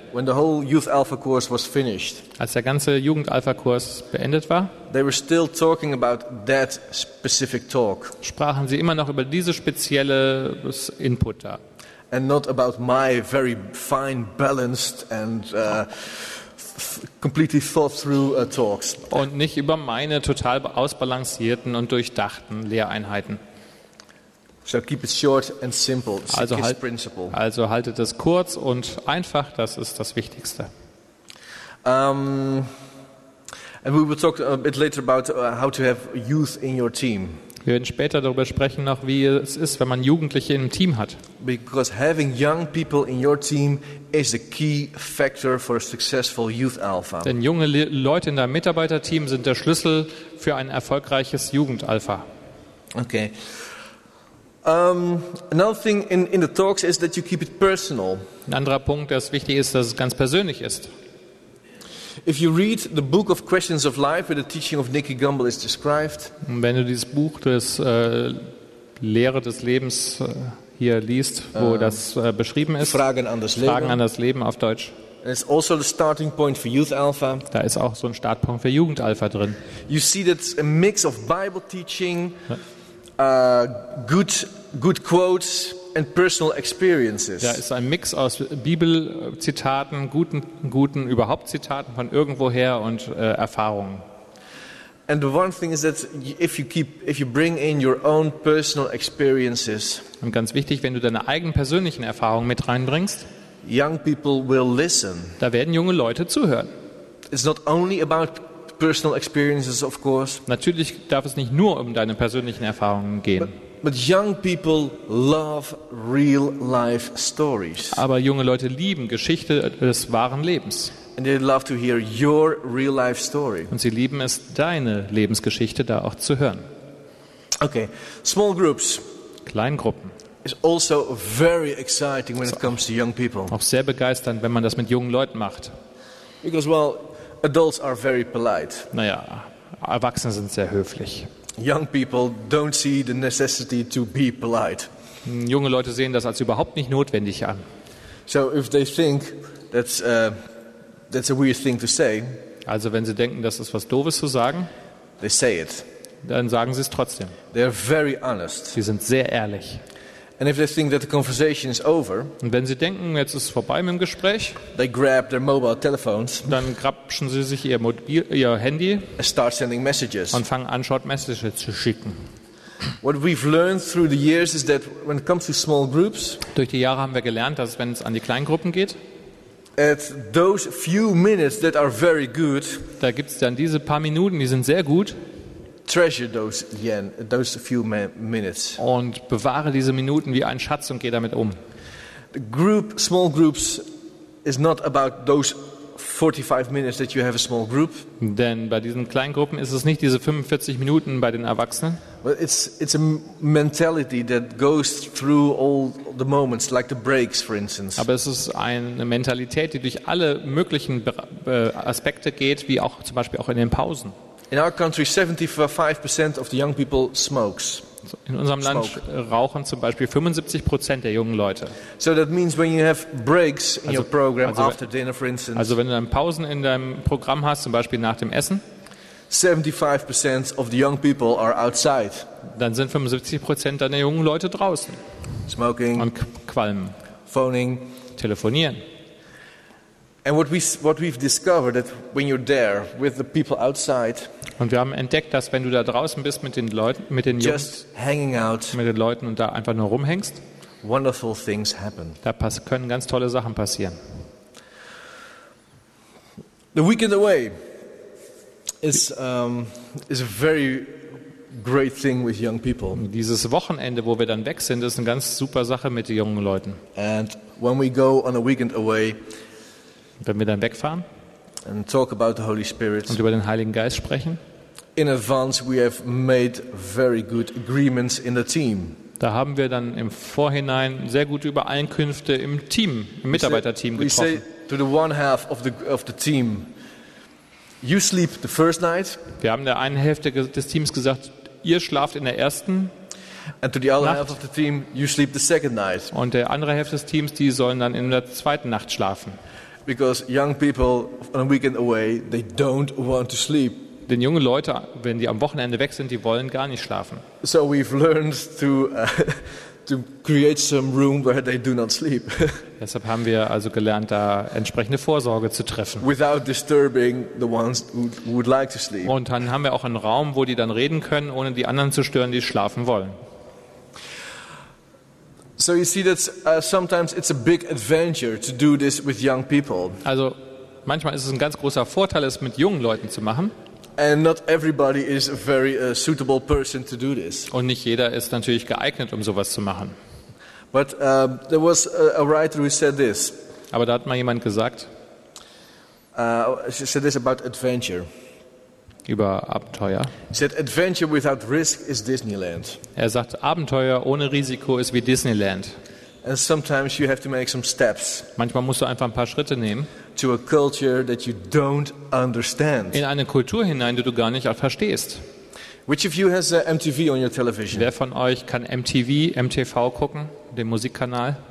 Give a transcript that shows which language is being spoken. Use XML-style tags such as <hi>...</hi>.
<en>when the whole Youth Alpha course was finished,</en> <de>als der ganze Jugend-Alpha-Kurs beendet war,</de> <en>they were still talking about that specific talk.</en> <de>Sprachen sie immer noch über dieses spezielle Input da.</de> <en>And not about my very fine, balanced and completely thought through talks.</en> <de>Und nicht über meine total ausbalancierten und durchdachten Lehreinheiten.</de> <en>So keep it short and simple. Principle.</en> <de>Also haltet es kurz und einfach, das ist das Wichtigste.</de> <en>And we will talk a bit later about how to have youth in your team.</en> <de>Wir werden später darüber sprechen, noch wie es ist, wenn man Jugendliche in einem Team hat.</de> <en>Because having young people in your team is a key factor for a successful youth alpha.</en> <de>Denn junge Leute in deinem Mitarbeiterteam sind der Schlüssel für ein erfolgreiches Jugendalpha.</de> <en>Okay. Another thing in the talks is that you keep it personal.</en> <de>Ein anderer Punkt, der wichtig ist, dass es ganz persönlich ist.</de> <en>If you read the book of Questions of Life, where the teaching of Nicky Gumbel is described,</en> <de>wenn du dieses Buch des Lehre des Lebens hier liest, wo das beschrieben ist, Fragen an das Leben auf Deutsch,</de> <en>is also the starting point for Youth Alpha.</en> <de>Da ist auch so ein Startpunkt für Jugend Alpha drin.</de> <en>You see that a mix of Bible teaching, good quotes and personal experiences.</en> <de>Da ist ein Mix aus Bibelzitaten, guten überhaupt Zitaten von irgendwoher und Erfahrungen.</de> <en>And the one thing is that if you bring in your own personal experiences.</en> <de>Und ganz wichtig, wenn du deine eigenen persönlichen Erfahrungen mit reinbringst.</de> <en>Young people will listen.</en> <de>Da werden junge Leute zuhören.</de> <en>It's not only about personal experiences, of course.</en> <de>Natürlich darf es nicht nur um deine persönlichen Erfahrungen gehen.</de> <en>But young people love real life stories.</en> <de>Aber junge Leute lieben Geschichte des wahren Lebens.</de> <en>And they love to hear your real life story.</en> <de>Und sie lieben es, deine Lebensgeschichte da auch zu hören.</de> <en>Okay, small groups.</en> <de>Kleingruppen.</de> <en>Is also very exciting when it comes to young people.</en> <de>Auch sehr begeisternd, wenn man das mit jungen Leuten macht.</de> <en>Because well, adults are very polite.</en> <de>Naja, Erwachsene sind sehr höflich.</de> <en>Young people don't see the necessity to be polite.</en> <de>Junge Leute sehen das als überhaupt nicht notwendig an.</de> <en>So if they think that's a weird thing to say.</en> <de>Also wenn sie denken, das ist was Doofes zu sagen,</de> <en>they say it.</en> <de>Dann sagen sie es trotzdem.</de> <en>They're very honest.</en> <de>Sie sind sehr ehrlich.</de> <en>And if they think that the conversation is over,</en> <de>und wenn sie denken, jetzt ist es vorbei mit dem Gespräch,</de> <en>they grab their mobile telephones,</en> <de>dann grapschen sie sich ihr Handy,</de> <en>and start sending messages,</en> <de>und fangen an,</de> <en>Short Messages</en> <de>zu schicken.</de> <en>What we've learned through the years is that when it comes to small groups,</en> <de>durch die Jahre haben wir gelernt, dass wenn es an die Kleingruppen geht,</de> <en>at those few minutes that are very good,</en> <de>da gibt es dann diese paar Minuten, die sind sehr gut.</de> <en>Treasure those few minutes.</en> <de>Und bewahre diese Minuten wie einen Schatz und geh damit um.</de> <en>The group, small groups, is not about those 45 minutes that you have a small group.</en> <de>Denn bei diesen Kleingruppen ist es nicht diese 45 Minuten bei den Erwachsenen.</de> <en>But it's a mentality that goes through all the moments, like the breaks, for instance.</en> <de>Aber es ist eine Mentalität, die durch alle möglichen Aspekte geht, wie auch zum Beispiel auch in den Pausen.</de> <en>In our country, 75% of the young people smokes.</en> <de>In unserem Land rauchen zum Beispiel 75% der jungen Leute.</de> <en>So that means when you have breaks in your program after dinner, for instance.</en> <de>Also wenn du dann Pausen in deinem Programm hast, zum Beispiel nach dem Essen.</de> <en>75% of the young people are outside.</en> <de>Dann sind 75% deiner jungen Leute draußen.</de> <en>Smoking.</en> <de>Und qualmen.</de> <en>Phoning.</en> <de>Telefonieren.</de> <en>And what we've discovered that when you're there with the people outside,</en> <de>und wir haben entdeckt, dass wenn du da draußen bist mit den Leuten, mit den</de> <en>just</en> <de>Jungs,</de> <en>hanging out,</en> <de>mit den Leuten und da einfach nur rumhängst,</de> <en>wonderful things happen.</en> <de>Da können ganz tolle Sachen passieren.</de> <en>The weekend away is a very great thing with young people.</en> <de>Dieses Wochenende, wo wir dann weg sind, ist eine ganz super Sache mit den jungen Leuten.</de> <en>And when we go on a weekend away,</en> <de>wenn wir dann wegfahren</de> <en>and talk about the Holy Spirit,</en> <de>und über den Heiligen Geist sprechen,</de> <en>in advance we have made very good agreements in the team.</en> <de>Da haben wir dann im Vorhinein sehr gute Übereinkünfte im Team, im Mitarbeiterteam getroffen.</de> <en>We say to the one half of the team, you sleep the first night.</en> <de>Wir haben der einen Hälfte des Teams gesagt, ihr schlaft in der ersten Nacht.</de> <en>And to the other half of the team, you sleep the second night.</en> <de>Und der andere Hälfte des Teams, die sollen dann in der zweiten Nacht schlafen.</de> <en>Because young people on a weekend away, they don't want to sleep.</en> <de>Denn junge Leute, wenn die am Wochenende weg sind, die wollen gar nicht schlafen.</de> <en>So we've learned to create some room where they do not sleep.</en> <de>Deshalb haben wir also gelernt, da entsprechende Vorsorge zu treffen.</de> <en>Without disturbing the ones who would like to sleep.</en> <de>Und dann haben wir auch einen Raum, wo die dann reden können, ohne die anderen zu stören, die schlafen wollen.</de> <en>So you see that sometimes it's a big adventure to do this with young people.</en> <de>Also manchmal ist es ein ganz großer Vorteil, es mit jungen Leuten zu machen.</de> <en>And not everybody is a very suitable person to do this.</en> <de>Und nicht jeder ist natürlich geeignet, um sowas zu machen.</de> <en>But there was a writer who said this.</en> <de>Aber da hat mal jemand gesagt.</de> <en>She said this about adventure.</en> <de>Über Abenteuer.</de> <en>He said, "Adventure without risk is Disneyland."</en> <de>Er sagt, Abenteuer ohne Risiko ist wie Disneyland.</de> <en>And sometimes you have to make some steps.</en> <de>Manchmal musst du einfach ein paar Schritte nehmen.</de> <en>To a culture that you don't understand.</en> <de>In eine Kultur hinein, die du gar nicht verstehst.</de> <en>Which of you has MTV on your television?</en> <de>Wer von euch kann MTV gucken, den Musikkanal?</de>